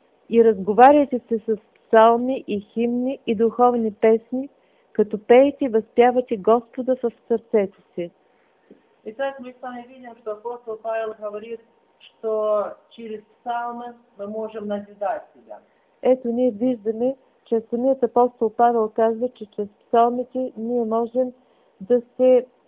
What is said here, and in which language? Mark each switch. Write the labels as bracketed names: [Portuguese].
[Bulgarian] И разговаряйте се с псалми и химни и духовни песни, като пеете и възпявате Господа в сърцето си. [Russian] И так мы с вами видим, что апостол Павел говорит, что через псалмы мы можем назидать себя. [Bulgarian] Ето ние виждаме, че самият апостол Павел казва, че чрез псалмите ние можем да се